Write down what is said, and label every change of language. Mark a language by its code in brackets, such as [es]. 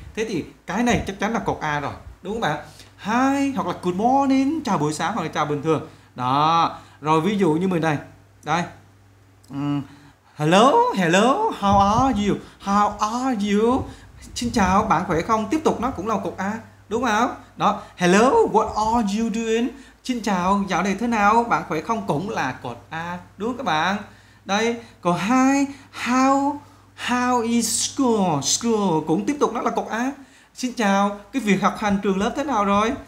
[vi] Thế thì cái này chắc chắn là cột A rồi, đúng các bạn. Hi hoặc là [en] good morning, [vi] chào buổi sáng hoặc là chào bình thường. Đó. Rồi ví dụ như mình này. Đây. [en] Hello, how are you? How are you? [vi] Xin chào, bạn khỏe không? Tiếp tục nó cũng là cột A, đúng không? [en] Đó, hello, what are you doing? [vi] Xin chào, dạo này thế nào? Bạn khỏe không? Cũng là cột A, đúng các bạn? Đây, cột 2, [en] how is school? [vi] School cũng tiếp tục nó là cột A. Xin chào, cái việc học hành trường lớp thế nào rồi?